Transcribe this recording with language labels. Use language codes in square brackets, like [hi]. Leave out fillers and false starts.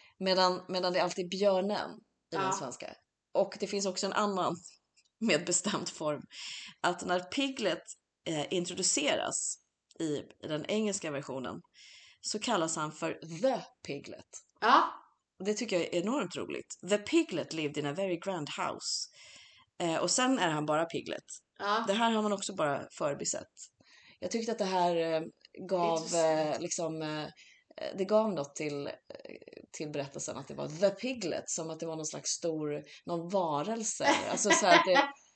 [sv] Medan det är alltid björnen i den svenska. Och det finns också en annan med bestämd form. Att när Piglet introduceras i den engelska versionen så kallas han för the Piglet. Ja. Det tycker jag är enormt roligt. [en] The Piglet lived in a very grand house. [sv] Och sen är han bara Piglet. Ja. Det här har man också bara förbisett. Jag tyckte att det här gav liksom det gav något till berättelsen att det var The Piglet, som att det var någon slags stor någon varelse. Alltså så att det,